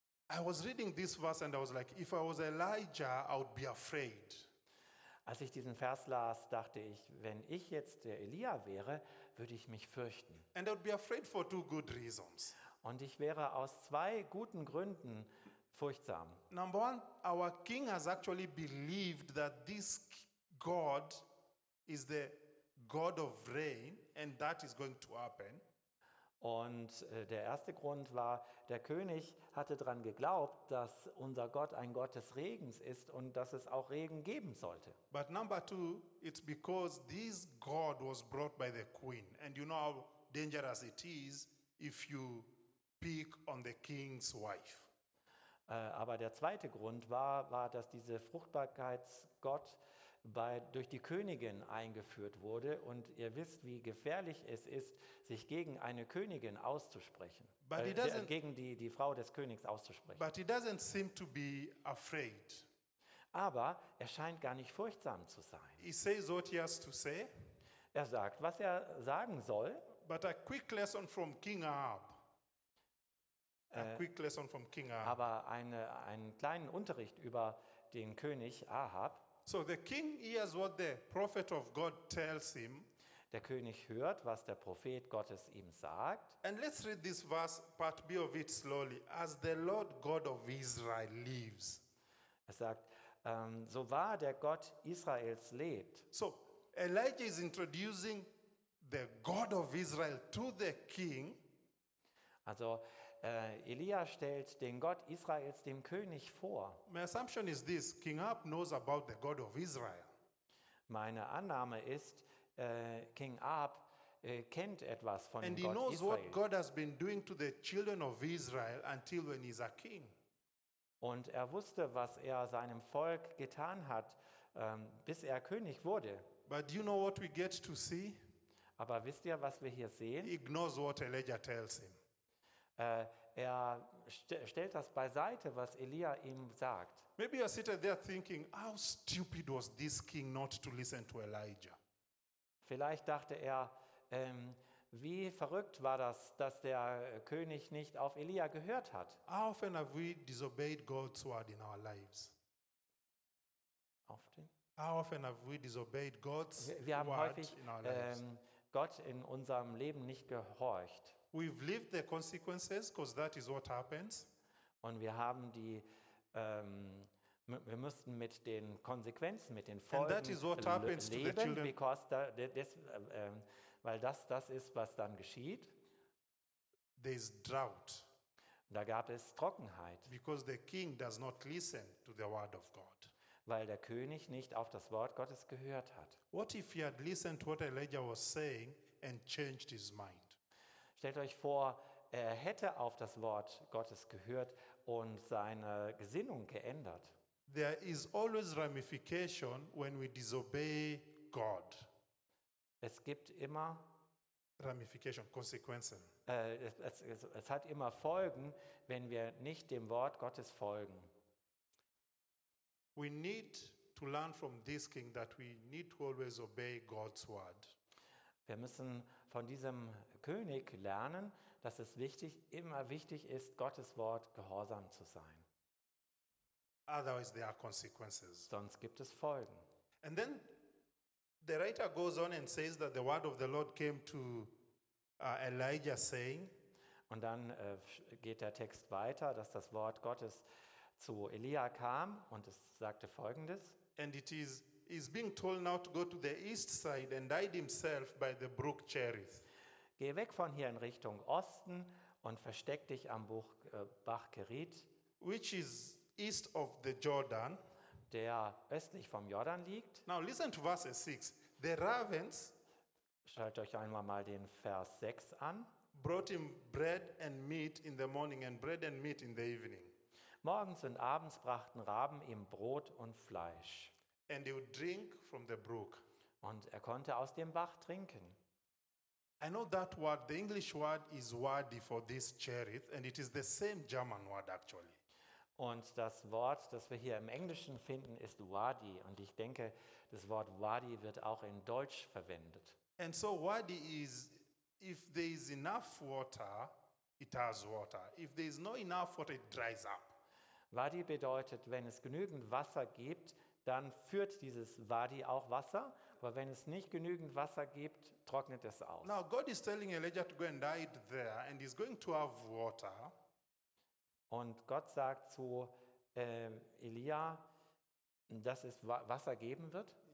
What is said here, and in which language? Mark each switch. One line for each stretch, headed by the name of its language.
English: I was reading this verse and I was like, if I was Elijah, I would be afraid.
German: Als ich diesen Vers las, dachte ich, wenn ich jetzt der Elia wäre, würde ich mich fürchten.
English: And I would be afraid for two good reasons.
German: Und ich wäre aus zwei guten Gründen furchtsam.
English: Number one, our king has actually believed that this God is the God of rain and that is going to happen.
German: Und der erste Grund war, der König hatte daran geglaubt, dass unser Gott ein Gott des Regens ist und dass es auch Regen geben sollte.
English: But number two, it's because this God was brought by the queen. And you know how dangerous it is if you pick on the king's wife.
German: Aber der zweite Grund war, dass dieser Fruchtbarkeitsgott durch die Königin eingeführt wurde und ihr wisst, wie gefährlich es ist, sich gegen eine Königin auszusprechen, gegen die Frau des Königs auszusprechen.
English: But he doesn't seem to be afraid.
German: Aber er scheint gar nicht furchtsam zu sein.
English: He says what he has to say.
German: Er sagt, was er sagen soll.
English: But a quick lesson from King Ahab.
German: Aber einen kleinen Unterricht über den König Ahab.
English: So the king hears what the prophet of God tells him.
German: Der König hört, was der Prophet Gottes ihm sagt.
English: And let's read this verse, part B of it slowly. As the Lord God of Israel lives.
German: Er sagt, so wahr der Gott Israels lebt.
English: So Elijah is introducing the God of Israel to the king.
German: Also Elia stellt den Gott Israels dem König vor.
English: My assumption is this: King Ahab knows about the God of Israel.
German: Meine Annahme ist, King Ahab kennt etwas von
English: and
German: dem Gott Israel.
English: And he knows what God has been doing to the children of Israel until when he's a king.
German: Und er wusste, was er seinem Volk getan hat, bis er König wurde.
English: But do you know what we get to see?
German: Aber wisst ihr, was wir hier sehen?
English: He ignores what Elijah tells him.
German: Er stellt das beiseite, was Elia ihm sagt.
English: Maybe you're sitting there thinking, how stupid was this king not to listen to Elijah?
German: Vielleicht dachte er, wie verrückt war das, dass der König nicht auf Elia gehört hat?
English: How often have we disobeyed God's word in our lives? Often? How often have we disobeyed God's
German: wir haben
English: word
German: häufig,
English: in our lives?
German: Gott in unserem Leben nicht gehorcht.
English: We've lived the consequences, because that is what happens.
German: Und wir haben die, wir müssten mit den Konsequenzen, mit den Folgen
English: and that is what happens
German: leben,
English: to the children. Because
German: da, des, weil das das ist, was dann geschieht.
English: There's drought.
German: Da gab es Trockenheit.
English: Because the king does not listen to the word of God.
German: Weil der König nicht auf das Wort Gottes gehört hat.
English: What if he had listened to what Elijah was saying and changed his mind?
German: Stellt euch vor, er hätte auf das Wort Gottes gehört und seine Gesinnung geändert.
English: There is always ramification when we disobey God.
German: Es gibt immer ramification, Konsequenzen. Es hat immer Folgen, wenn wir nicht dem Wort Gottes folgen.
English: We need to learn from this king that we need to always obey God's word.
German: Wir müssen von diesem König lernen, dass es wichtig, immer wichtig ist, Gottes Wort gehorsam zu sein.
English: Otherwise there are consequences.
German: Sonst gibt es Folgen.
English: And then the writer goes on and says that the word of the Lord came to Elijah saying.
German: Und dann geht der Text weiter, dass das Wort Gottes zu Elia kam und es sagte Folgendes.
English: And it is he's being told now to go to the east side and hide himself by the brook Cherith.
German: Geh weg von hier in Richtung Osten und versteck dich am Buch, Bach Kerit,
English: which is east of the Jordan,
German: der östlich vom Jordan liegt.
English: Now listen to verse 6. The ravens,
German: schaut euch einmal mal den Vers 6 an,
English: brought him bread and meat in the morning and bread and meat in the evening.
German: Morgens und abends brachten Raben ihm Brot und Fleisch.
English: And he would drink from the brook.
German: Und er konnte aus dem Bach trinken.
English: I know that word, the English word is wadi for this Cherith, and it is the same German word actually.
German: Und das Wort, das wir hier im Englischen finden, ist wadi. Und ich denke, das Wort wadi wird auch in Deutsch verwendet.
English: And so wadi is, if there is enough water, it has water. If there is not enough water, it dries up.
German: Wadi bedeutet, wenn es genügend Wasser gibt, dann führt dieses Wadi auch Wasser, aber wenn es nicht genügend Wasser gibt, trocknet es aus.
English: Now God is telling Elijah to go and hide there and he's going to have water.
German: Und Gott sagt zu Elia, dass es Wasser geben wird.